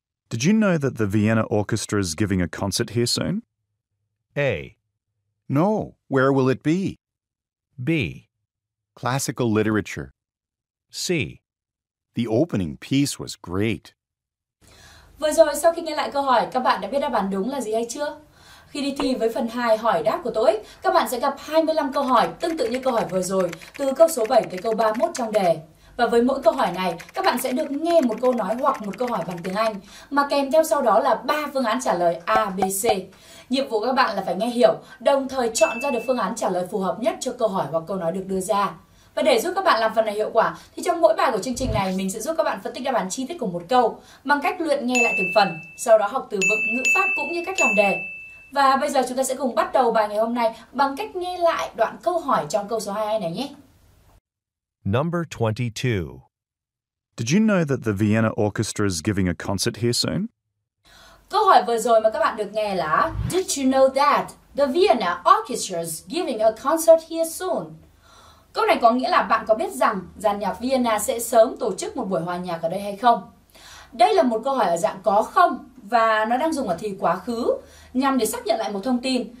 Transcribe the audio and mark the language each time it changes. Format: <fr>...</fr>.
<en>Did you know that the Vienna Orchestra is giving a concert here soon? A. No, where will it be? B. Classical literature. C. The opening piece was great.</en> <vi>Vừa rồi sau khi nghe lại câu hỏi, các bạn đã biết đáp án đúng là gì hay chưa? Khi đi thi với phần 2 hỏi đáp của TOEIC, các bạn sẽ gặp 25 câu hỏi tương tự như câu hỏi vừa rồi, từ câu số 7 tới câu 31 trong đề. Và với mỗi câu hỏi này, các bạn sẽ được nghe một câu nói hoặc một câu hỏi bằng tiếng Anh, mà kèm theo sau đó là 3 phương án trả lời A, B, C. Nhiệm vụ các bạn là phải nghe hiểu, đồng thời chọn ra được phương án trả lời phù hợp nhất cho câu hỏi hoặc câu nói được đưa ra. Và để giúp các bạn làm phần này hiệu quả, thì trong mỗi bài của chương trình này, mình sẽ giúp các bạn phân tích đáp án chi tiết của một câu bằng cách luyện nghe lại từng phần, sau đó học từ vựng, ngữ pháp cũng như cách làm đề. Và bây giờ chúng ta sẽ cùng bắt đầu bài ngày hôm nay bằng cách nghe lại đoạn câu hỏi trong câu số 22 này nhé.</vi> <en>Number 22. Did you know that the Vienna Orchestra is giving a concert here soon?</en> <vi>Câu hỏi vừa rồi mà các bạn được nghe là</vi> <en>Did you know that the Vienna Orchestra is giving a concert here soon?</en> <vi>Câu này có nghĩa là bạn có biết rằng dàn nhạc Vienna sẽ sớm tổ chức một buổi hòa nhạc ở đây hay không? Đây là một câu hỏi ở dạng có không và nó đang dùng ở thì quá khứ nhằm để xác nhận lại một thông tin.</vi>